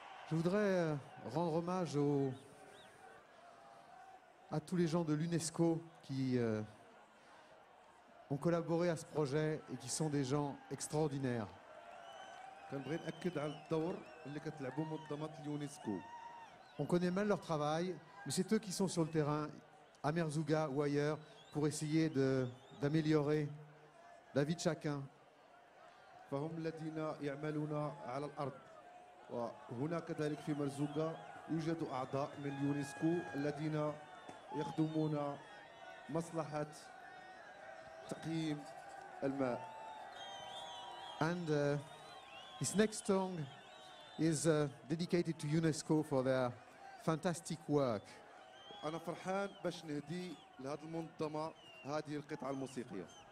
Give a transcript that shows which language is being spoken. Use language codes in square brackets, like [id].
[fr] Je voudrais rendre hommage aux, à tous les gens de l'UNESCO qui ont collaboré à ce projet et qui sont des gens extraordinaires. [ar] كنبغي ناكد على الدور اللي كتلعبوا منظمات اليونسكو. [fr] On connaît mal leur travail, mais c'est eux qui sont sur le terrain à Merzouga ou ailleurs pour essayer de d'améliorer la vie de chacun. [ar] فهم الذين يعملون على الارض وهنا كذلك في مرزوقة يوجد اعضاء من اليونسكو الذين يخدمون مصلحة تقييم الماء. [en] And this next song is dedicated to UNESCO for their fantastic work. [ar] انا فرحان باش نهدي لهذا المنظمة هذه القطعة الموسيقية.